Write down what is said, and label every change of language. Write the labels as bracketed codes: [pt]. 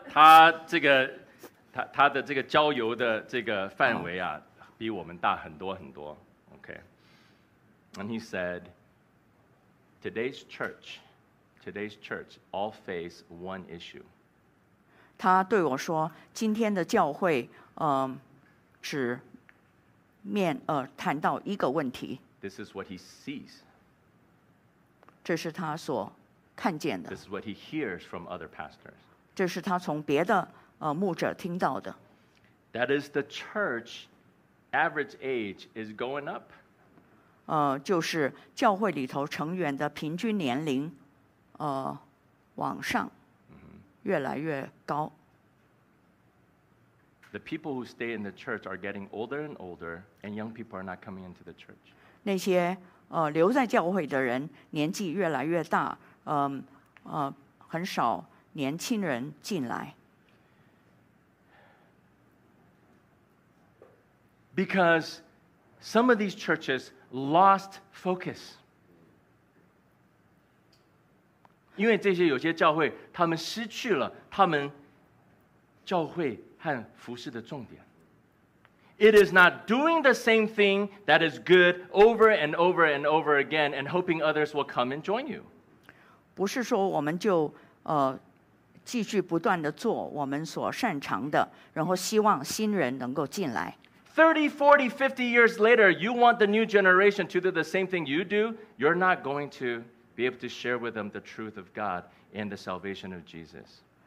[zh] 他的这个交友的这个范围啊。比我们大很多很多 okay. [en] And he said, today's church all face one issue. [zh] 他对我说，今天的教会，只面，谈到一个问题。 [en] This is what he sees. [zh] 这是他所看见的。 [en] This is what he hears from other pastors. [zh] 这是他从别的，牧者听到的。 [en] That is the church. Average age is going up. [zh] 就是教会里头成员的平均年龄，往上，越来越高。 [en] The people who stay in the church are getting older and older, and young people are not coming into the church. [zh] 那些留在教会的人年纪越来越大，很少年轻人进来。 [en] Because some of these churches lost focus. [zh] 因为这些有些教会，他们失去了他们教会和服事的重点。 [en] It is not doing the same thing that is good over and over and over again and hoping others will come and join you. [zh] 不是说我们就继续不断地做我们所擅长的，然后希望新人能够进来。 [en] 30, 40, 50 years later, you want the new generation to do the same thing you do, you're not going to be able to share with them the truth of God and the salvation of Jesus.